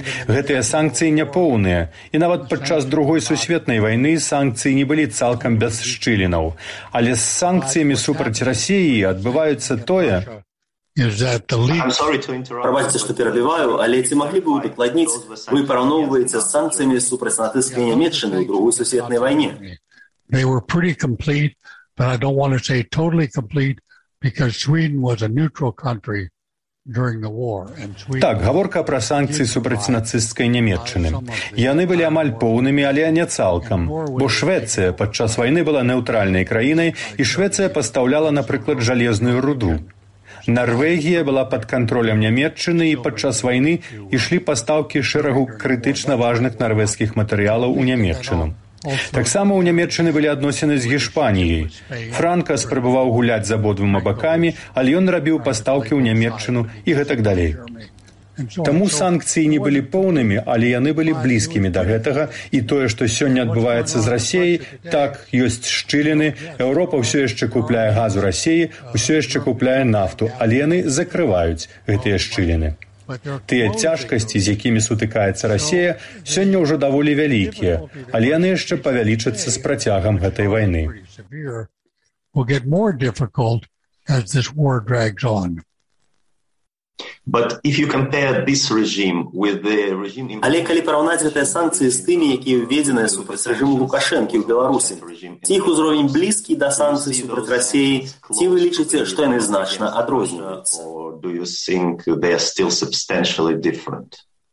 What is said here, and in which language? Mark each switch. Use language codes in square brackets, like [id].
[be] Гэтыя санкцыі няпоўныя, і нават падчас Другой сусветнай вайны санкцыі не былі цалкам без шчылінаў. Але з санкцыямі супраць Расіі адбываецца тое... Прабачце, што перабіваю, але ці маглі б вы удакладніць, вы параўноўваеце з санкцыямі супраць нацысцкай Нямеччыны ў Другой сусветнай вайне? [en] They were pretty complete, but I don't want to say totally complete, because Sweden was a neutral country during the war. [be] Так, гаворка пра санкцыі супраць нацысцкай Нямеччыны. Яны былі амаль поўнымі, але не цалкам. Бо Швецыя падчас вайны была нейтральнай краінай, і Швецыя пастаўляла, напрыклад, жалезную руду. Нарвегія была пад кантролем Нямеччыны, і падчас вайны ішлі пастаўкі шэрагу крытычна важных нарвежскіх матэрыялаў у Нямеччыну. Таксама ў Нямеччыны былі адносіны з Гішпаніяй. Франка спрабаваў гуляць з абодвума бакамі, але ён рабіў пастаўкі ў Нямеччыну і гэтак далей. Таму санкцыі не былі поўнымі, але яны былі блізкімі да гэтага, і тое, што сёння адбываецца з Расіяй, так, ёсць шчыліны, Еўропа ўсё яшчэ купляе газ у Расіі, ўсё яшчэ купляе нафту, але яны закрываюць гэтыя шчыліны. Тыя цяжкасці, з якімі сутыкаецца Расія, сёння ўжо даволі вялікія, але яны яшчэ павялічацца з працягам гэтай вайны. [en] Will get more difficult as this war drags on. But if you compare this regime with the regime in... [be] Але калі параўнаць гэтыя санкцыі з тымі, якія введзеныя супраць рэжыму Лукашэнкі ў Беларусі, ці іх узровень блізкі да санкцый супраць Расіі, ці вы лічыце, што яны значна адрозніваюцца? [en] Do you think they are still substantially different?